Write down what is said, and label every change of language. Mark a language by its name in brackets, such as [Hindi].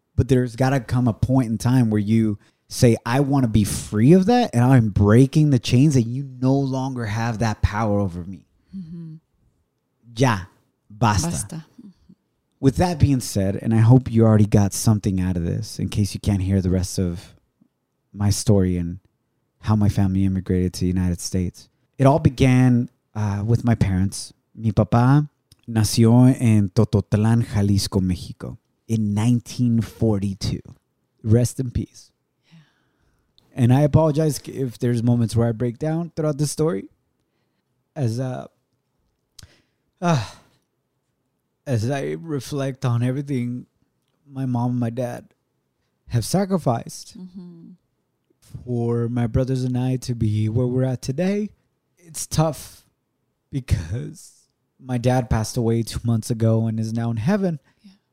[English] But there's got to come a point in time where you say, I want to be free of that, and I'm breaking the chains that you no longer have that power over me. Mm-hmm. [Spanish] Ya, basta. [English] With that being said, and I hope you already got something out of this in case you can't hear the rest of my story and how my family immigrated to the United States. It all began with my parents. [Spanish] Mi papá nació en Tototlán, Jalisco, Mexico in 1942. [English] Rest in peace. And I apologize if there's moments where I break down throughout the story. As I reflect on everything my mom and my dad have sacrificed for my brothers and I to be where we're at today, it's tough because my dad passed away 2 months ago and is now in heaven. Yeah.